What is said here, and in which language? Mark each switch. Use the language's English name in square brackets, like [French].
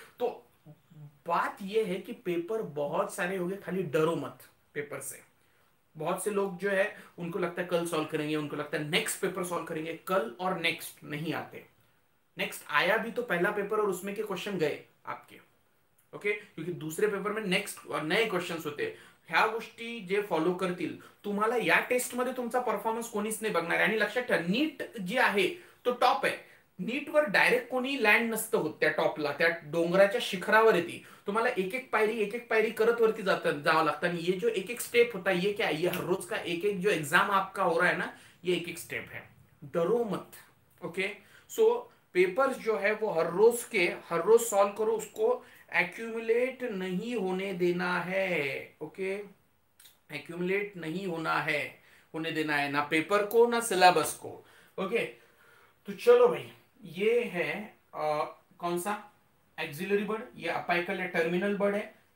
[Hindi] तो बात यह है कि पेपर बहुत सारे हो गए, खाली डरो मत पेपर से. बहुत से लोग जो है उनको लगता है कल सॉल्व करेंगे, उनको लगता है नेक्स्ट पेपर सॉल्व करेंगे, कल और नेक्स्ट नहीं आते. नेक्स्ट आया भी तो पहला पेपर और उसमें के क्वेश्चन गए आपके. ओके, क्योंकि दूसरे पेपर में नेक्स्ट और नए क्वेश्चंस होते. [Marathi] ह्या गोष्टी जे फॉलो करतील तुम्हाला या टेस्टमध्ये तुमचा परफॉर्मन्स कोणीच नाही बघणार. आणि लक्षात ठेवा, नीट जे आहे तो टॉप आहे. नीट वर डायरेक्ट कोणी लँड नसतं होत त्या टॉपला, त्या डोंगराच्या शिखरावर येते. तुम्हाला एक एक पायरी करत वरती जातात जावं लागतं. [Hindi] आणि ये जो एक एक स्टेप होता, ये क्या, ये हर रोज का एक एक जो एग्जाम आपका हो रहा है ना, ये एक एक स्टेप है. डरो मत. ओके, सो पेपर जो है वो हर रोज के, हर रोज सॉल्व करो, उसको एक्यूमुलेट नहीं होने देना है. ओके, एक्यूमुलेट नहीं होना है, होने देना है ना पेपर को ना सिलेबस को. ओके, तो चलो भाई, ये है कौन सा, एक्सिलरी बर्ड, ये अपाइकल या टर्मिनल बर्ड है.